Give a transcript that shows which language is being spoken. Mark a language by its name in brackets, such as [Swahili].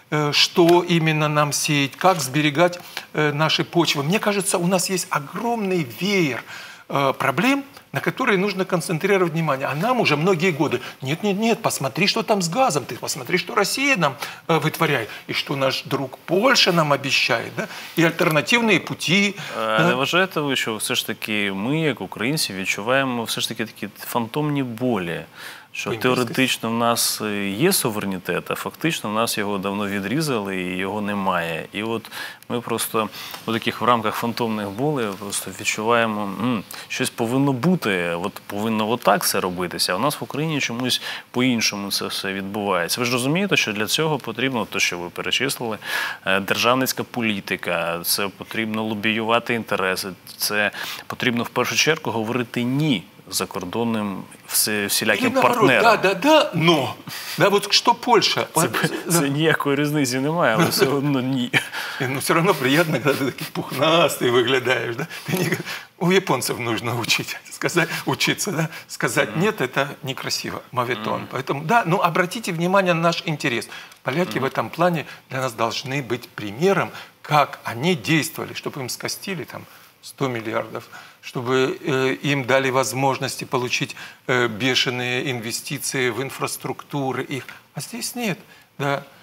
[Russian] Что именно нам сеять, как сберегать наши почвы. Мне кажется, у нас есть огромный веер проблем, на которые нужно концентрировать внимание. А нам уже многие годы. Нет, посмотри, что там с газом. Ты посмотри, что Россия нам вытворяет. И что наш друг Польша нам обещает. Да? И альтернативные пути. [Ukrainian] Не вважаєте ви, що все ж таки ми, як українці, відчуваємо все ж таки такі фантомні болі? Що теоретично в нас є суверенітет, а фактично в нас його давно відрізали і його немає. І от ми просто у таких в рамках фантомних болей просто відчуваємо, щось повинно бути, от повинно отак все робитися, а у нас в Україні чомусь по-іншому це все відбувається. Ви ж розумієте, що для цього потрібно, те, що ви перечислили, державницька політика, це потрібно лобіювати інтереси, це потрібно в першу чергу говорити «ні» закордонним всіляким партнером. [Russian] Да, но. Да, вот что Польша? [Ukrainian] Це ніякої різниці немає, але все одно ні. [Russian] Но все равно приятно, когда ты такой [Ukrainian] пухнастый выглядаешь. [Russian] Да? Ты не... У японцев нужно учиться. Да? Сказать нет, это некрасиво. Моветон. Поэтому, да, но обратите внимание на наш интерес. Поляки в этом плане для нас должны быть примером, как они действовали, чтобы им скостили там 100 миллиардов, чтобы им дали возможности получить бешеные инвестиции в инфраструктуры их. А здесь нет. Да.